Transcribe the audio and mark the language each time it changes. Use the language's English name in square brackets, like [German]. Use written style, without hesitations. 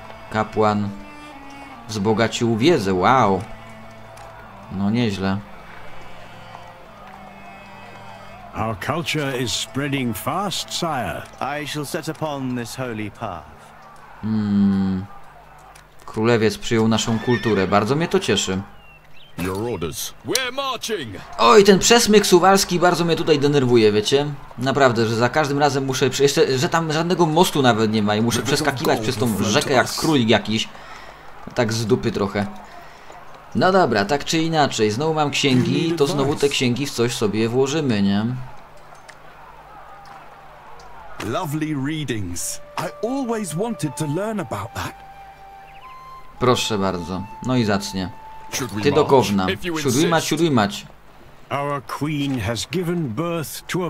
[Polish] Kapłan wzbogacił wiedzę, wow. No nieźle. [English] Our culture is spreading fast, sire. I shall set upon this holy path. [Polish] Królewiec przyjął naszą kulturę. Bardzo mnie to cieszy. [English] Your orders. We're marching. [Polish] Oj, ten przesmyk suwalski bardzo mnie tutaj denerwuje, wiecie? Naprawdę, że za każdym razem muszę... Jeszcze, że tam żadnego mostu nawet nie ma i muszę przeskakiwać przez tą rzekę jak król jakiś. Tak z dupy trochę. No dobra, tak czy inaczej. Znowu mam księgi, to znowu te księgi w coś sobie włożymy, nie? [English] Lovely readings. I always wanted to learn about that. [Polish] Proszę bardzo. No i zacnie. Ty do Kowna. Siódmać, siódmać. [English] Our queen has given birth to a